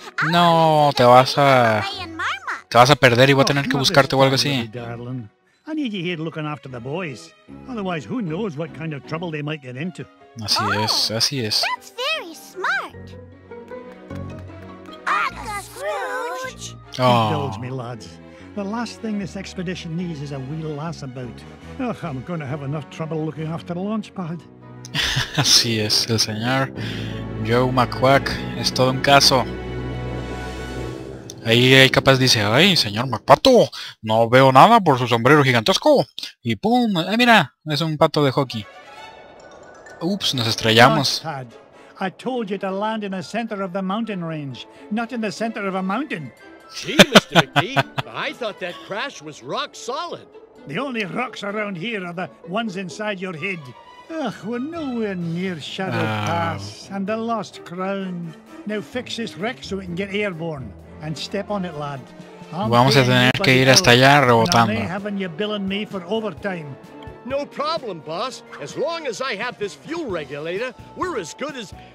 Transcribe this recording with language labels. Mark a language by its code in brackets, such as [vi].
[es] No, te vas a perder y voy a tener que buscarte o algo así. [en] I need you here looking after the boys. Otherwise, who knows what kind of trouble they might get into. [es] Así es, así es. [en] That's very smart. Uncle Scrooge. Oh. Indulge me, lads. The last thing this expedition needs is a wee lass about. Ugh, I'm gonna have enough trouble looking after the launch pad. [es] Así es, el señor Joe McQuack es todo un caso. Ahí el capaz dice: "Ay, señor McPato, no veo nada por su sombrero gigantesco". Y pum, mira, es un pato de hockey. Ups, nos estrellamos. [en] I told you to land in the center of the mountain range, not in the center of a mountain. Gee, Mr. McGee, I thought that crash was rock solid. The only rocks around here are the ones inside your head. Ugh, we're nowhere near Shadow Pass and the Lost Crown. Now fix this wreck so we can get airborne and step on it, lad. [es] Vamos a tener que ir hasta allá rebotando. [en] Not having you billing me for overtime. No problem, boss. As long as I have this fuel regulator, we're as good as...